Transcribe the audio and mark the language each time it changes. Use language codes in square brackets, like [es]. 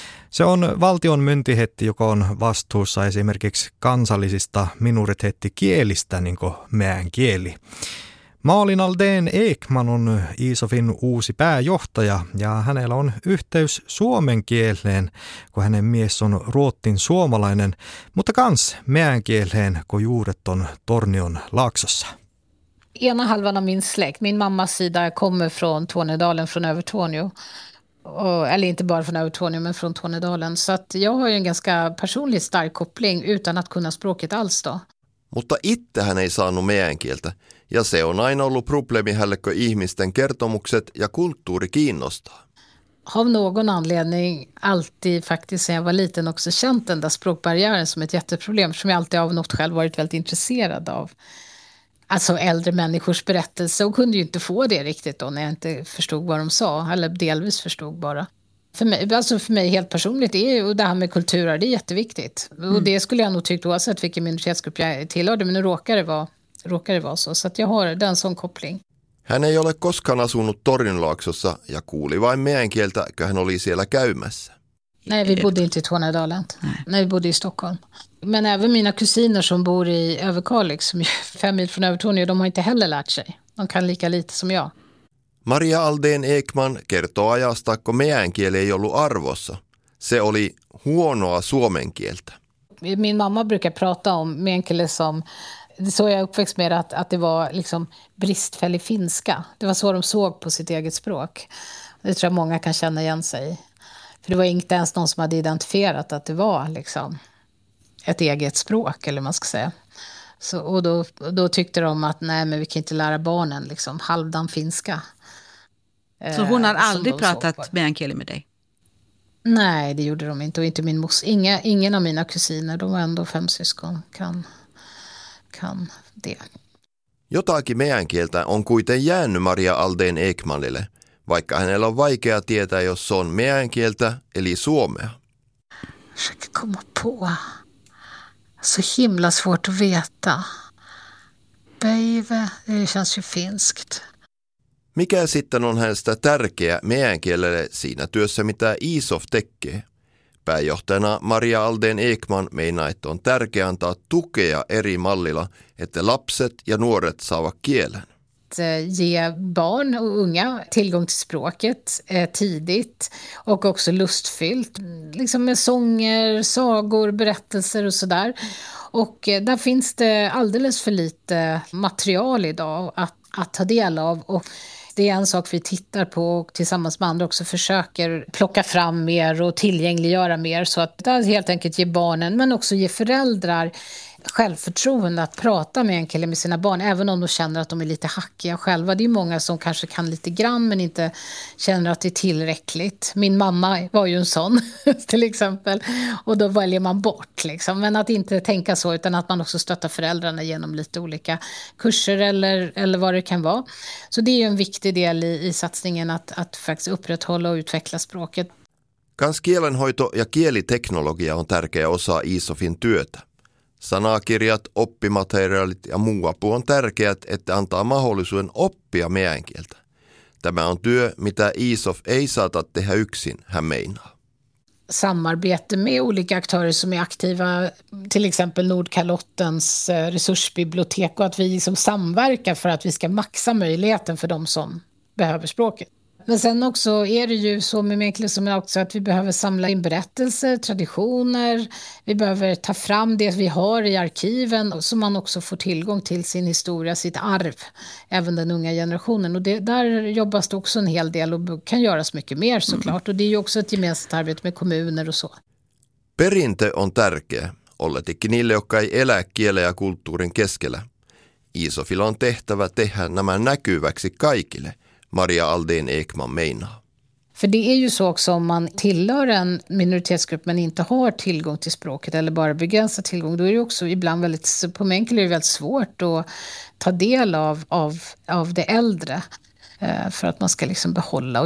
[fit] Se on valtion myntihetti, joka on vastuussa esimerkiksi kansallisista minoriteettikielistä, niin kuin meidän kieli. Malin Aldén Ekman on ISOFin uusi pääjohtaja ja hänellä on yhteys suomen kieleen, kun hänen mies on ruotin suomalainen, mutta kans meidän kieleen, kun juuret on Tornion laaksossa. [sv] Ena halvan av min släkt, min mammas sida, kommer från Tornedalen, från Övertorneå. Eller inte bara från Övertorneå, men från Tornedalen. Så att jag har ju en ganska personlig stark koppling utan att kunna språket alls då. [fit] Mutta itse hän ei saanut meidän kieltä, ja se on aina ollut probleemi hänelle, kun ihmisten kertomukset ja kulttuuri kiinnostaa. [sv] Av någon anledning alltid faktiskt sen jag var liten också känt den där språkbarriären som ett jätteproblem, som jag alltid av något själv varit väldigt intresserad av. Alltså äldre människors berättelse, och kunde ju inte få det riktigt då när jag inte förstod vad de sa, eller delvis förstod bara. För mig helt personligt är ju det här med kulturer, det är jätteviktigt. Mm. Och det skulle jag nog tyckt oavsett vilken minoritetsgrupp jag tillhörde, men nu råkar det vara så. Så att jag har den sån koppling. [fit] Hän ei ole koskaan asunut Torjunlaaksossa ja kuuli vain meidän kieltä, kun hän oli siellä käymässä. [sv] Nej, vi bodde inte i Tornedalen. Nej, vi bodde i Stockholm. Men även mina kusiner som bor i Överkalix, som är 5 mil från Övertorneå, de har inte heller lärt sig. De kan lika lite som jag. [fit] Maria Aldén Ekman kertoo ajasta, kun meidän kieli ei ollut arvossa. Se oli huonoa suomen kieltä. [sv] Min mamma brukar prata om meänkieli som, så jag uppväxt med att det var liksom bristfällig finska. Det var så de såg på sitt eget språk. Det tror jag många kan känna igen sig. För det var inte ens någon som hade identifierat att det var liksom ett eget språk, eller man ska säga. Så, och då tyckte de att nej, men vi kan inte lära barnen liksom halvdan finska. Så hon har aldrig pratat med en kille med dig? Nej, det gjorde de inte. Och inte min mos. Ingen av mina kusiner, de var ändå 5 syskon, kan det. [fit] Jotakin meidän kieltä on kuitenkin jäänyt Maria Aldén Ekmanille, vaikka hänellä on vaikea tietää, jos se on meidän kieltä, eli suomea. [sv] Försöka komma på. Så himla svårt att veta. [fit] päivä, [sv] det känns ju finskt. [fit] Mikä sitten on hänestä tärkeä meidän kielelle siinä työssä, mitä Isof tekee? Pääjohtajana Maria Alden Ekman meinaa, että on tärkeää antaa tukea eri mallilla, että lapset ja nuoret saavat kielen. [sv] Ge barn och unga tillgång till språket tidigt och också lustfyllt. Liksom med sånger, sagor, berättelser och sådär. Och där finns det alldeles för lite material idag att ta del av. Och det är en sak vi tittar på och tillsammans med andra också försöker plocka fram mer och tillgängliggöra mer. Så att det helt enkelt ge barnen men också ge föräldrar självförtroende att prata meänkieli med sina barn, även om de känner att de är lite hackiga själva. Det är många som kanske kan lite grann men inte känner att det är tillräckligt. Min mamma var ju en sån till exempel, och då väljer man bort liksom. Men att inte tänka så, utan att man också stöttar föräldrarna genom lite olika kurser eller vad det kan vara. Så det är ju en viktig del i satsningen att faktiskt upprätthålla och utveckla språket. [fit] Kans kielenhoito ja kieliteknologia on tärkeä osa ISOFin työtä. Sanakirjat, oppimateriaalit ja muu apu on tärkeät, että antaa mahdollisuuden oppia meidän kieltä. Tämä on työ, mitä ISOF ei saata tehdä yksin, hän meinaa. [sv] Samarbete med olika aktörer som är aktiva, till exempel Nordkalottens resursbibliotek, och att vi liksom samverkar för att vi ska maxa möjligheten för de som behöver språket. Men sen också är det ju så med meänkieli som jag också, att vi behöver samla in berättelser, traditioner. Vi behöver ta fram det vi har i arkiven så man också får tillgång till sin historia, sitt arv, även den unga generationen. Och där jobbas det också en hel del och kan göras mycket mer såklart. Mm. Och det är ju också ett gemensamt arbete med kommuner och så. [fit] Perinte on tärkeä, olletikin niille, jotka ei elä kielen ja kulttuurin keskellä. ISOFilla on tehtävä tehdä nämä näkyväksi kaikille. [sv] Maria Aldén Ekman meinar. För det är ju så också, om man tillhör en minoritetsgrupp men inte har tillgång till språket eller bara begränsad tillgång, då är det också ibland väldigt, på meänkieli är det väldigt svårt att ta del av det äldre för att man ska liksom behålla.